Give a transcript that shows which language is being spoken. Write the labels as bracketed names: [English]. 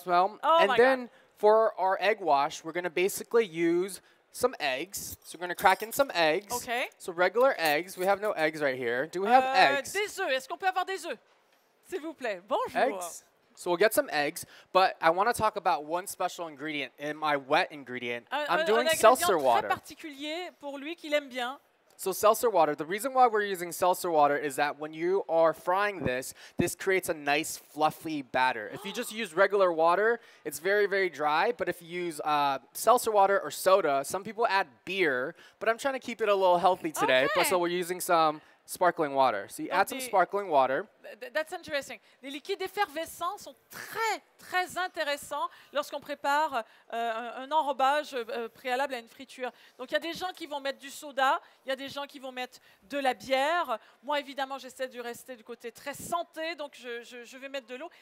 [English] God. And then for our egg wash, we're going to basically use some eggs. So we're going to crack in some eggs. Okay. So regular eggs. We have no eggs right here. Do we have eggs? [French] Des œufs. Est-ce qu'on peut avoir des œufs? S'il vous plaît. Bonjour. [English] Eggs. So we'll get some eggs, but I want to talk about one special ingredient in my wet ingredient. I'm doing seltzer water. [French] Un très particulier pour lui qu'il aime bien. [English] So seltzer water, the reason why we're using seltzer water is that when you are frying this, this creates a nice fluffy batter. If you just use regular water, it's very, very dry. But if you use seltzer water or soda, some people add beer, but I'm trying to keep it a little healthy today. Okay. But so we're using some sparkling water. So you add some sparkling water. That's interesting. [French] Les liquides effervescents sont très, très intéressants lorsqu'on prépare un enrobage préalable à une friture. Donc, il y a des gens qui vont mettre du soda, il y a des gens qui vont mettre de la bière. Moi, évidemment, j'essaie de rester du côté très santé, donc je vais mettre de l'eau.